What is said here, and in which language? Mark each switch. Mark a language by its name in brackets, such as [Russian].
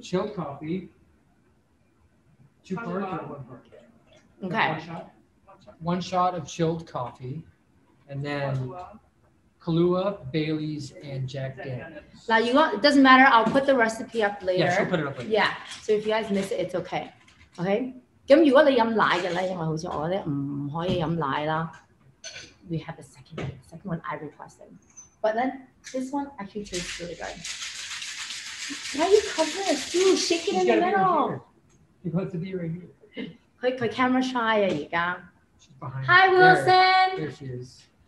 [English] Chilled coffee. Two parts or one part? Okay. One shot of chilled coffee. And then Kahlua, Bailey's, and Jack Daniels. Now, it doesn't matter. I'll put the recipe up later. Yeah, she'll put it up later. Yeah, so if you guys miss it, it's okay. Okay? [Cantonese] 咁如果你飲奶嘅咧，因為好似我咧唔可以飲奶啦。 [English] We have the second one I requested, but then this one actually tastes really good. Why you cover it? Dude, shake it. She's in the middle. You got to be right here. Quick, camera shy. She's behind. Hi, Wilson. There she is.